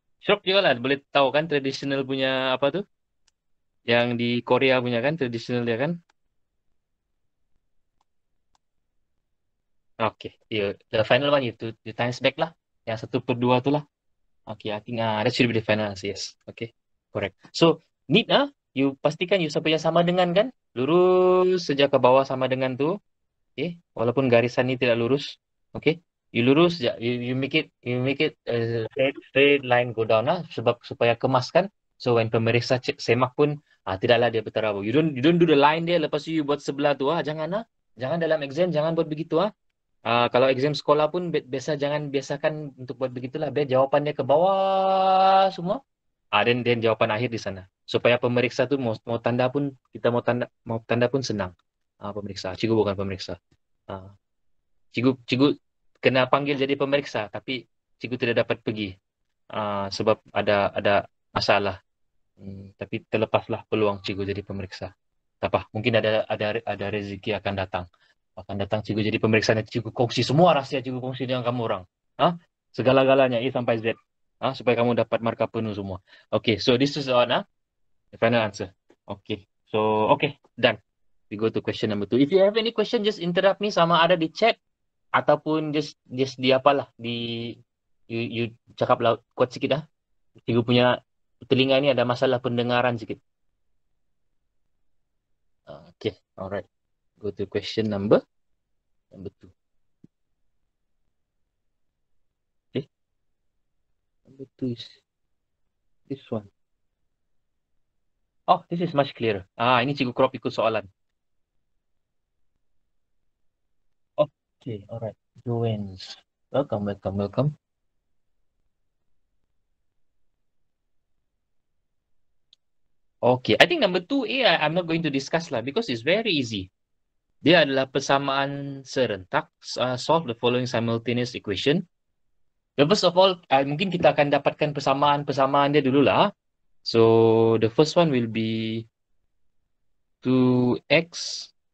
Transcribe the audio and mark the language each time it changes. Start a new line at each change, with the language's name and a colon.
Malay: Shock juga lah, boleh tahu kan tradisional punya apa tu? Yang di Korea punya kan, tradisional dia kan?
English: Okay, the final one itu, the times back lah.
Malay: Yang 1/2 tu lah.
English: Okay, I think that should be the final, yes. Okay, correct. So, need lah.
Malay: You pastikan you sampai yang sama dengan kan? Lurus sejak ke bawah sama dengan tu. Okay. Walaupun garisan ni tidak lurus. Okay. You lurus sejak.
English: You make it a straight line go down lah.
Malay: Sebab supaya kemas kan. So when pemeriksa semak pun tidaklah dia berterabur.
English: You don't do the line
Malay: dia lepas you buat sebelah tu. Jangan lah. Jangan dalam exam. Jangan buat begitu lah. Kalau exam sekolah pun biasa jangan biasakan untuk buat begitulah. Biar jawapannya ke bawah semua. Dan jawapan akhir di sana. Supaya pemeriksa tuh mau tanda pun kita mau tanda pun senang. Pemeriksa. Cikgu bukan pemeriksa. Cikgu kena panggil jadi pemeriksa tapi cikgu tidak dapat pergi. Sebab ada masalah. Tapi terlepaslah peluang cikgu jadi pemeriksa. Tak apa, mungkin ada rezeki akan datang. Akan datang cikgu jadi pemeriksa dan cikgu kongsi semua rahsia cikgu kongsi dengan kamu orang. Segala-galanya A sampai Z. Supaya kamu dapat markah penuh semua.
English: Okay, so this is all, the final answer. Okay, so okay, done. We go to question number 2. If you have any question, just interrupt me
Malay: sama ada di chat ataupun just di apalah di you cakap lah kuat sikit dah. Cikgu punya telinga ni ada masalah pendengaran sikit.
English: Okay, alright. Go to question number 2. This one. Oh, this is much clearer.
Malay: Ini cikgu crop ikut soalan.
English: Okay, alright. Joens. Welcome, welcome, welcome. Okay, I think number 2A I'm not going to discuss lah because it's very easy.
Malay: Dia adalah persamaan serentak.
English: Solve the following simultaneous equation. First of all,
Malay: mungkin kita akan dapatkan persamaan-persamaan dia dululah.
English: So, the first one will be 2x.